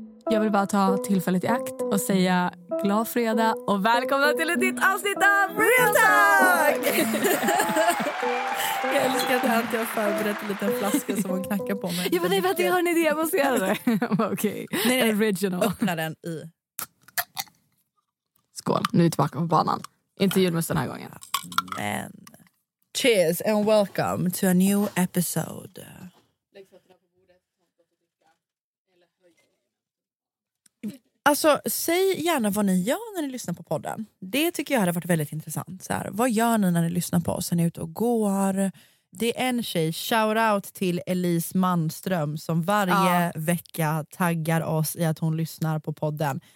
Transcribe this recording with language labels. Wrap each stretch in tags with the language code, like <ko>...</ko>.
<sv>Jag vill bara ta tillfället i akt och säga glad fredag och välkomna till ett nytt avsnitt av Real Talk! Jag älskar att Antje har förberett en liten flaska som hon knackar på mig. Jag bara, nej, jag har en idé, jag måste göra det. Okej, okay. Original. Öppna den i... Skål, nu är vi tillbaka på banan. Inte julmust den här gången. Men.</sv> <en>Cheers and welcome to a new episode.</en> <sv>Alltså, säg gärna vad ni gör när ni lyssnar på podden. Det tycker jag hade varit väldigt intressant. Så här, vad gör ni när ni lyssnar på oss? Är ni ute och går? Det är en tjej, shout out till Elise Mannström som varje vecka taggar oss i att hon lyssnar på podden.</sv>